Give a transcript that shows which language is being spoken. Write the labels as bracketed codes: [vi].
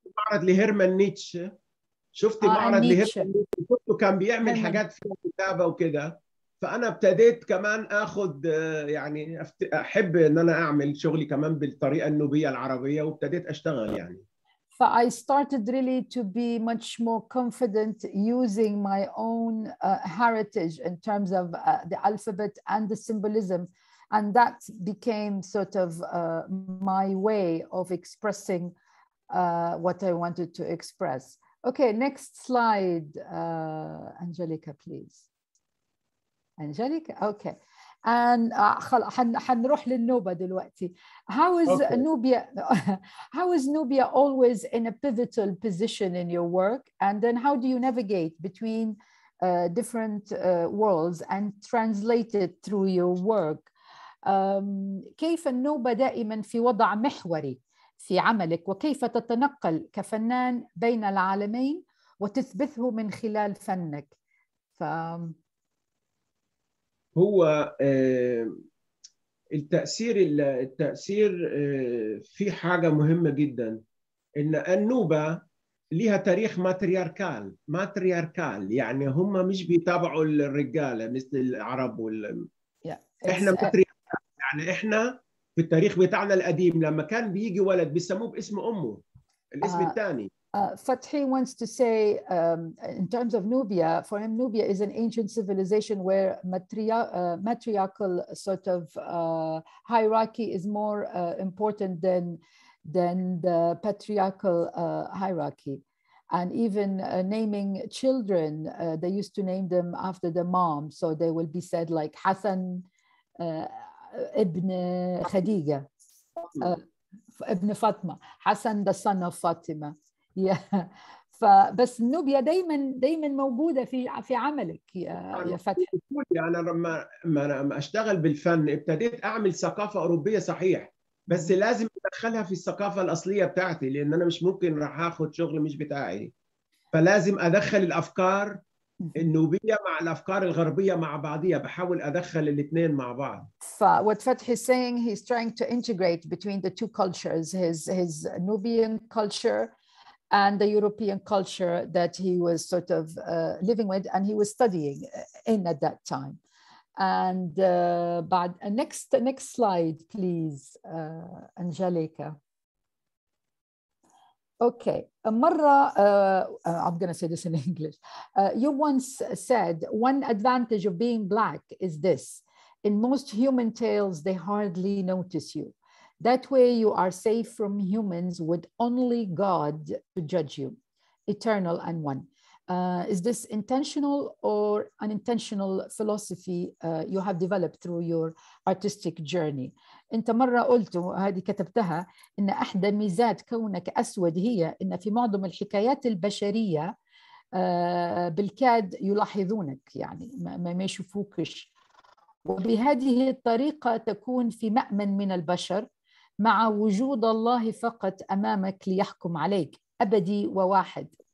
[ar] معرض لهيرمان نيتش شفت معرض لهيرمان نيتش كله كان بيعمل حاجات في الكتابة وكده فأنا ابتديت كمان أخذ يعني أحب إن أنا أعمل شغلي كمان بالطريقة النوبية العربية وابتديت أشتغل يعني. [en] But I started really to be much more confident using my own heritage in terms of the alphabet and the symbolism. And that became sort of my way of expressing what I wanted to express. Okay, next slide, Angelica, please. Angelica, okay. And [ar] حنروح للنوبة دلوقتي. [en] How is Nubia always in a pivotal position in your work? And then how do you navigate between different worlds and translate it through your work? [ar] كيف النوبة دائما في وضع محوري في عملك وكيف تتنقل كفنان بين العالمين وتثبته من خلال فنك؟ هو التأثير في حاجة مهمة جدا إن النوبة لها تاريخ ماترياركال يعني هم مش بيتابعوا الرجالة مثل العرب إحنا ماترياركال يعني إحنا في التاريخ بتاعنا القديم لما كان بيجي ولد بيسموه باسم أمه الاسم الثاني. [en] Fathi wants to say, in terms of Nubia, for him, Nubia is an ancient civilization where matriarchal sort of hierarchy is more important than the patriarchal hierarchy. And even naming children, they used to name them after the mom. So they will be said like Hassan ibn Khadija, ibn Fatima, Hassan the son of Fatima. [ar] بس النوبيا دايما موجوده في عملك يا فتحي. انا لما اشتغل بالفن ابتديت اعمل ثقافه اوروبيه صحيح بس لازم ادخلها في الثقافه الاصليه بتاعتي لان انا مش ممكن راح اخد شغل مش بتاعي فلازم ادخل الافكار النوبية مع الأفكار الغربية مع بعضية بحاول أدخل الاثنين مع بعض. [en] What Fathi is saying, he's trying to integrate between the two cultures, his Nubian culture and the European culture that he was sort of living with and he was studying in at that time. And next slide, please, Angelica. Okay, Marra, I'm going to say this in English. You once said, one advantage of being black is this. In most human tales, they hardly notice you. That way you are safe from humans with only God to judge you, eternal and one. Is this intentional or unintentional philosophy you have developed through your artistic journey? [ar] أنت مرة قلت وهذه كتبتها إن أحد ميزات كونك أسود هي إن في معظم الحكايات البشرية بالكاد يلاحظونك يعني ما يشوفوكش وبهذه الطريقة تكون في مأمن من البشر مع وجود الله فقط أمامك ليحكم عليك أبدي وواحد.